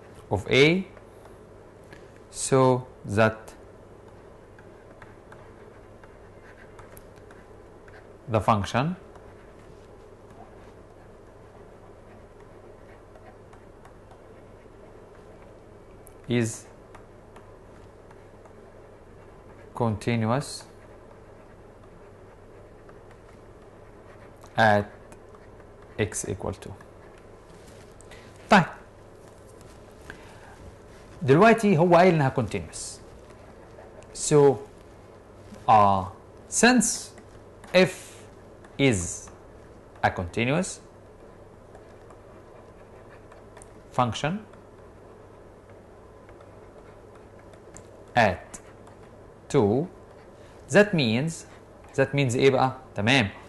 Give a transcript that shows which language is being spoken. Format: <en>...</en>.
<en>of a so that the function is continuous at x equal to.</en> <ar>طيب دلوقتي هو قايل انها continuous.</ar> <en>So since f is a continuous function at 2, that means</en> <ar>ايه بقى؟ تمام.</ar>